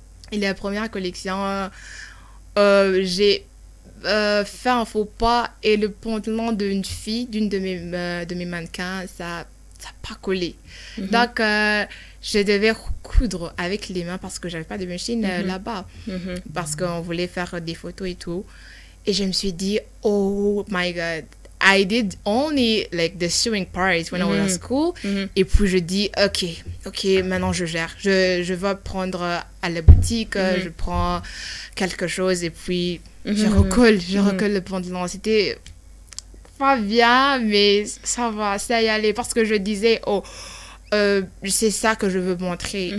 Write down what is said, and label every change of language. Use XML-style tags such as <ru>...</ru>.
<fr>Et la première collection, j'ai fait un faux pas et le pantalon d'une fille, d'une de mes mannequins, ça n'a pas collé. Donc, je devais coudre avec les mains parce que j'avais pas de machine là-bas. Parce qu'on voulait faire des photos et tout. Et je me suis dit,</fr> <en>oh my God, I did only like the sewing part when I was at school.</en> <fr>Et puis je dis, ok, maintenant je gère. Je vais prendre à la boutique, je prends quelque chose et puis je recolle le pantalon. C'était pas bien, mais ça va, ça y allait. Parce que je disais, oh, c'est ça que je veux montrer.</fr>